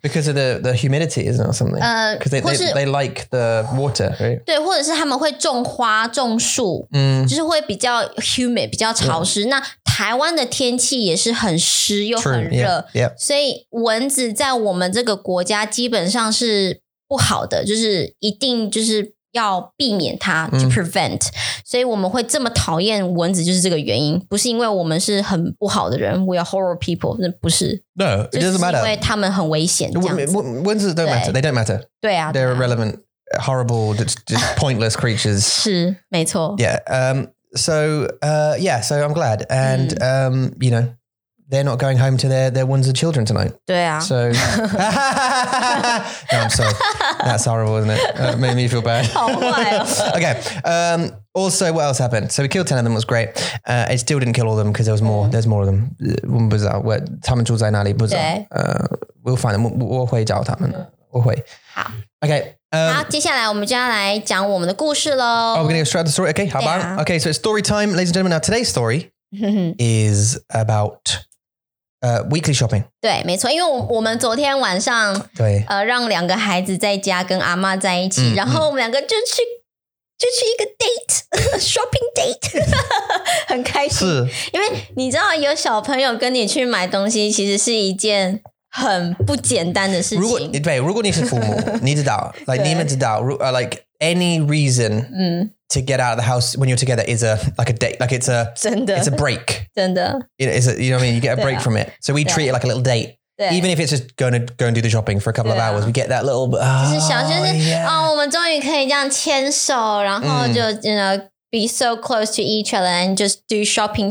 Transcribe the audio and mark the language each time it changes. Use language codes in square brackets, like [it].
[en] because of the humidity isn't it something because they like the water right [zh] 对，或者是他们会种花种树，就是会比较 humid 比较潮湿那。台湾的天气也是很湿又很热，所以蚊子在我们这个国家基本上是不好的，就是一定就是。要避免它 [en] to prevent、 [zh] 嗯、所以我们会这么讨厌蚊子就是这个原因不是因为我们是很不好的人 [en] we are horrible people [zh] 不是 [en] no it doesn't matter [zh] 因为他们很危险 [en] 蚊子 don't matter they don't matter [zh] 对啊 [en] they're irrelevant horrible just pointless creatures [zh] 是没错 [en] yeah so I'm glad and、嗯、you knowThey're not going home to their ones of children tonight. [zh] 对啊。 [en] So, no, I'm sorry. That's horrible, isn't it? That made me feel bad. Okay. Also, what else happened? So we killed 10 of them. It was great. It still didn't kill all of them because there was more. There's more of them. [zh] 我们不知道我他们住在哪里不知道。 [en] We'll find them. [zh] 我会找他们。我会。好。 [en] Okay. [zh] 好接下来我们就要来讲我们的故事咯。 [en] Oh, we're going to go straight to the story. Okay, [zh] 好吧。 [en] Okay, so it's story time, ladies and gentlemen. Now, today's story is about... weekly shopping. [zh] 对没错因为我们昨天晚上对让两个孩子在家跟阿妈在一起、嗯、然后我们两个就去一个 [en] date, shopping date, [zh] 很开心。是。因为你知道有小朋友跟你去买东西其实是一件很不简单的事情。如果你是父母你知道 [en] like, [zh] 你们知道 [en] like, any reason,、嗯To get out of the house when you're together is a, like a date, like it's a, [zh] 真的, [en] it's a break. [zh] 真的。 [en] It is a, you know what I mean? You get a break [zh] 对啊, [en] from it. So we [zh] 对啊, [en] treat it like a little date. [zh] 对。 [en] Even if it's just going to go and do the shopping for a couple [zh] 对啊, [en] of hours, we get that little, oh, [zh] 就是想, 就是, [en] yeah. [zh] 哦, 我们终于可以这样牵手, 然后就, mm. [en] you know, be so close to each other and just do shopping.